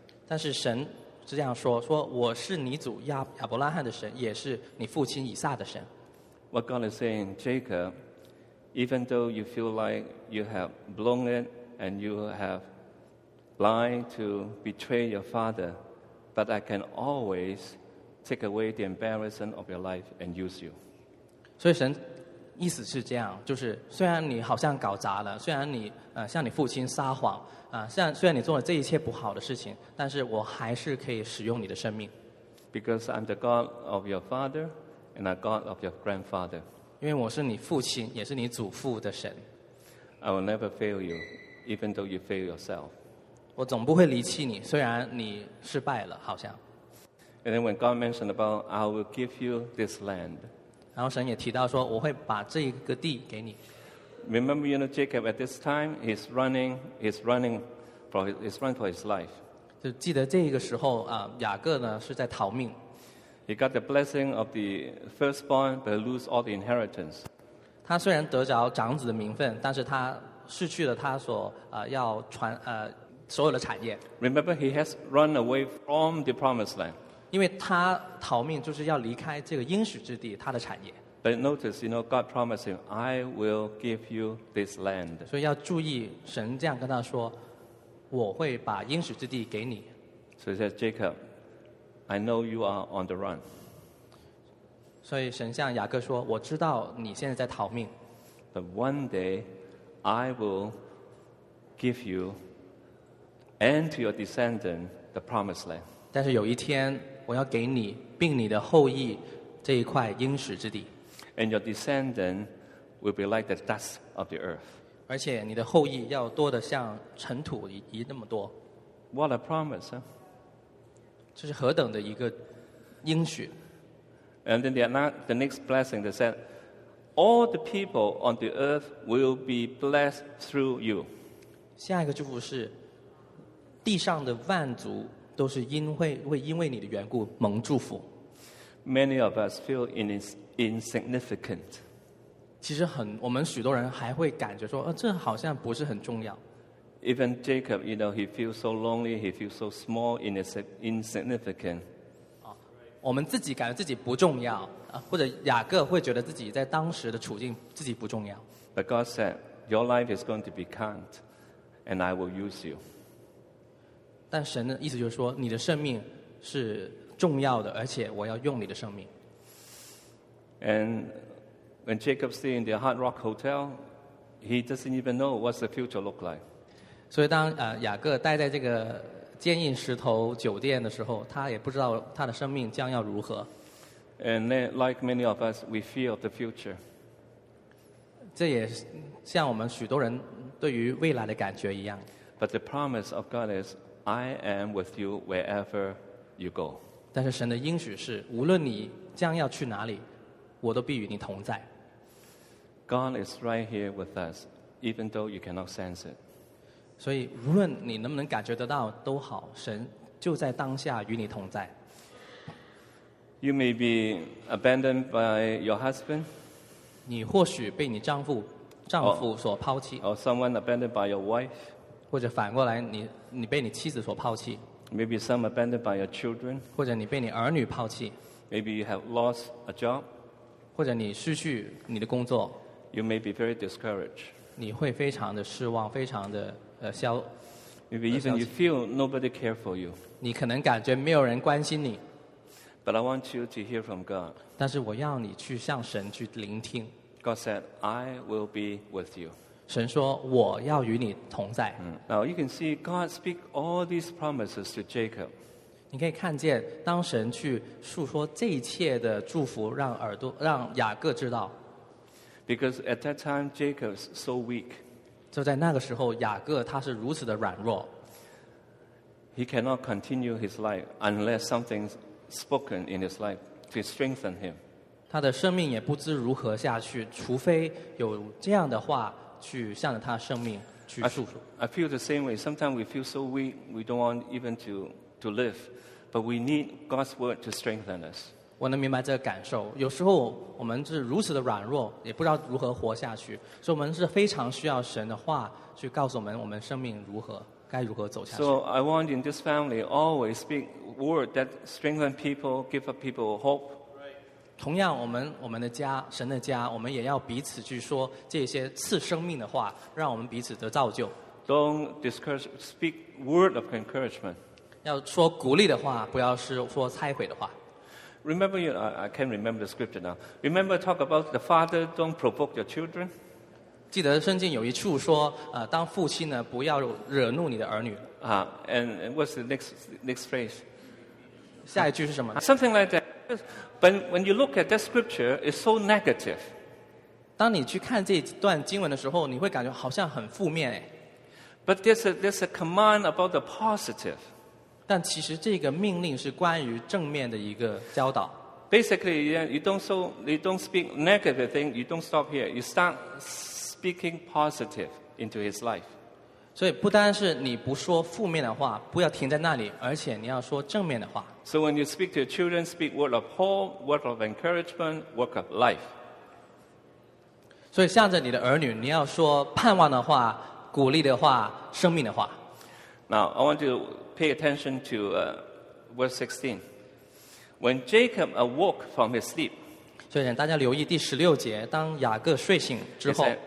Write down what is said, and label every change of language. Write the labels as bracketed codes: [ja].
[zh] 但是神是这样说：说我是你祖亚伯拉罕的神，也是你父亲以撒的神。 [en] What God is saying, Jacob, even though you feel like you have blown it and you have lied to betray your father, but I can always take away the embarrassment of your life and use you. [zh] 所以神意思是这样，就是虽然你好像搞砸了，虽然你向你父亲撒谎啊，虽然你做了这一切不好的事情，但是我还是可以使用你的生命。 [en] Because I'm the God of your father. And a God of your grandfather. [zh] 因为我是你父亲，也是你祖父的神。 [en] I will never fail you, even though you fail yourself. [zh] 我总不会离弃你，虽然你失败了，好像。 [en] And then when God mentioned about, I will give you this land. [zh] 然后神也提到说，我会把这一个地给你。 [en] Remember, you know, Jacob at this time, he's running for his life. [zh] 就记得这个时候啊，雅各呢是在逃命。 [en] He got the blessing of the firstborn, but lose all the inheritance. [zh] 他虽然得着长子的名分，但是他失去了他所要传所有的产业。 [en] Remember, he has run away from the promised land. [zh] 因为他逃命就是要离开这个应许之地，他的产业。 [en] But notice, you know, God promised him, "I will give you this land." [zh] 所以要注意，神这样跟他说，我会把应许之地给你。 [en] So he says, Jacob. I know you are on the run. [zh] 所以神向雅各说，我知道你现在在逃命。 [en] But one day, I will give you and to your descendant the promised land. [zh] 但是有一天，我要给你并你的后裔这一块应许之地。 [en] And your descendant will be like the dust of the earth. [zh] 而且你的后裔要多得像尘土一那么多。 [en] What a promise, huh? [zh] 这是何等的一个应许。 [en] And then the next blessing, they said, all the people on the earth will be blessed through you. [zh] 下一个祝福是，地上的万族都是因为你的缘故蒙祝福。 [en] Many of us feel insignificant. [zh] 其实我们许多人还会感觉说，这好像不是很重要。 [en] Even Jacob, you know, he feels so lonely, he feels so small, insignificant. [zh] 我们自己感觉自己不重要，或者雅各会觉得自己在当时的处境自己不重要。 [en] But God said, your life is going to be count, and I will use you. [zh] 但神的意思就是说，你的生命是重要的，而且我要用你的生命。 [en] And when Jacob stayed in the Hard Rock Hotel, he doesn't even know what's the future look like. [zh] 所以当雅各待在这个坚硬石头酒店的时候，他也不知道他的生命将要如何。 [en] And then, like many of us, we fear the future. [zh] 这也像我们许多人对于未来的感觉一样。 [en] But the promise of God is, I am with you wherever you go. [zh] 但是神的应许是，无论你将要去哪里，我都必与你同在。 [en] God is right here with us, even though you cannot sense it. [zh] 所以无论你能不能感觉得到都好，神就在当下与你同在。 [en] You may be abandoned by your husband. [zh] 你或许被你丈夫所抛弃。 [en] Or someone abandoned by your wife. [zh] 或者反过来，你被你妻子所抛弃。 [en] Maybe some abandoned by your children. [zh] 或者你被你儿女抛弃。 [en] Maybe you have lost a job. [zh] 或者你失去你的工作。 [en] You may be very discouraged. [zh] 你会非常的失望，非常的。 [en] Maybe even you feel nobody care for you. [zh] 你可能感觉没有人关心你。 [en] But I want you to hear from God. [zh] 但是我要你去向神去聆听。 [en] God said, "I will be with you." [zh] 神说我要与你同在。 [en] Now you can see God speak all these promises to Jacob. [zh] 你可以看见当神去述说这一切的祝福，让雅各知道。 [en] Because at that time Jacob is so weak. [zh] 就在那个时候，雅各他是如此的软弱。 [en] He cannot continue his life unless something's spoken in his life to strengthen him. [zh] 他的生命也不知如何下去，除非有这样的话去向着他的生命去诉说。 [en] I feel the same way. Sometimes we feel so weak, we don't want even to live, but we need God's word to strengthen us. [zh] 我能明白这个感受。有时候我们是如此的软弱，也不知道如何活下去，所以我们是非常需要神的话去告诉我们，我们生命如何该如何走下去。 [en] So I want in this family always speak word that strengthen people, give people hope. [zh] 同样，我们的家，神的家，我们也要彼此去说这些赐生命的话，让我们彼此得造就。 [en] Don't discourage, speak word of encouragement. [zh] 要说鼓励的话，不要是说拆毁的话。 [en] Remember, you know, I can't remember the scripture now. Remember, talk about the father don't provoke your children. [zh] 记得圣经有一处说，当父亲呢，不要惹怒你的儿女。 [en] And what's the next phrase? [zh] 下一句是什么？ [en] Something like that. But when you look at that scripture, it's so negative. [zh] 当你去看这段经文的时候，你会感觉好像很负面。 [en] But there's a command about the positive. [zh] 但其实这个命令是关于正面的一个教导。 [en] Basically, you don't speak negative thing. You don't stop here. You start speaking positive into his life. [zh] 所以不单是你不说负面的话，不要停在那里，而且你要说正面的话。 [en] So when you speak to your children, speak word of hope, word of encouragement, word of life. [zh] 所以向着你的儿女，你要说盼望的话、鼓励的话、生命的话。 [en] Now I want to pay attention to verse 16. When Jacob awoke from his sleep, [zh] 所以请大家留意第十六节，当雅各睡醒之后。